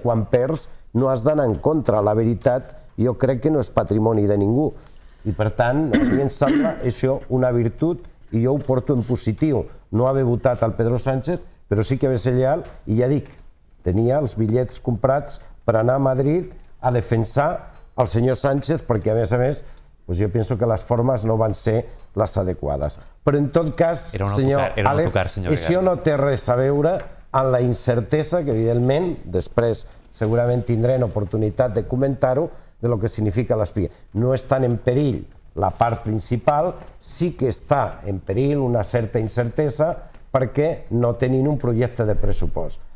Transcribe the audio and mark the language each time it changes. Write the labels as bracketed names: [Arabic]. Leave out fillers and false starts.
[Catalan] Quan perds no has d'anar en contra. La veritat jo crec que no és patrimoni de ningú, i per tant a mi em sembla això una virtut, i jo ho porto en positiu, no haver votat al Pedro Sánchez, però sí que haver sigut lleial, i ja dic, tenia els bitllets comprats per anar a Madrid a defensar el senyor Sánchez, perquè a més [Spanish] Pues yo pienso que las formas no van a ser las adecuadas. Pero en todo caso, [Catalan] señor Álex, [Spanish] eso no [Catalan] té res a veure amb la incertesa que, evidentment, després segurament tindrem oportunitat de comentar-ho, [Spanish] de lo que significa [Catalan] l'espia. No està en perill la part principal, sí que està en perill una certa incertesa perquè no tenim un projecte de pressupost.